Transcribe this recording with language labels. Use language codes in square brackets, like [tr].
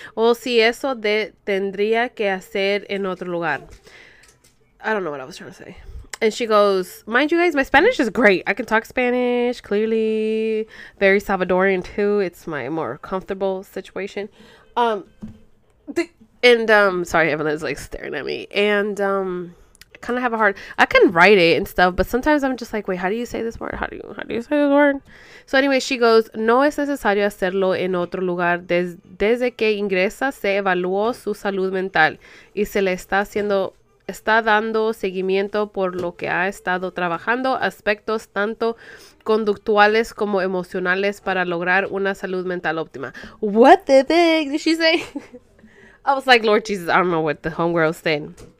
[es] O si eso de tendría que hacer en otro lugar. [en] I don't know what I was trying to say. And she goes, mind you guys, my Spanish is great. I can talk Spanish, clearly. Very Salvadorian, too. It's my more comfortable situation. Sorry, Evelyn's, like, staring at me. And I kind of have a hard... I can write it and stuff, but sometimes I'm just like, wait, how do you say this word? How do you say this word? So anyway, she goes, [es] no es necesario hacerlo en otro lugar. Desde que ingresa, se evaluó su salud mental. Y se le está haciendo... está dando seguimiento por lo que ha estado trabajando aspectos tanto conductuales como emocionales para lograr una salud mental óptima. [en] What the heck did she say? I was like, Lord Jesus, I don't know what the homegirl said.